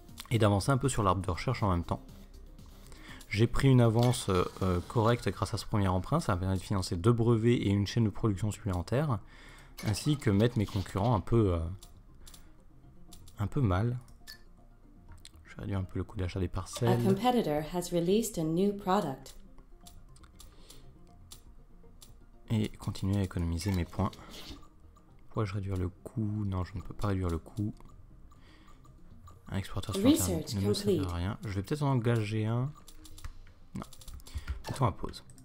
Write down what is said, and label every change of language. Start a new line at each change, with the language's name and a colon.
French: Et d'avancer un peu sur l'arbre de recherche en même temps. J'ai pris une avance correcte grâce à ce premier emprunt. Ça permet de financer 2 brevets et une chaîne de production supplémentaire. Ainsi que mettre mes concurrents un peu mal. Je réduis un peu le coût d'achat des parcelles.
English: A competitor has released a new product.
French: Et continuer à économiser mes points. Pourrais-je réduire le coût? Non, je ne peux pas réduire le coût. Un exploiteur sur
English: Research
French: internet ne
English: complete.
French: Me sert à rien. Je vais peut-être en engager un. Non. Mettons à pause.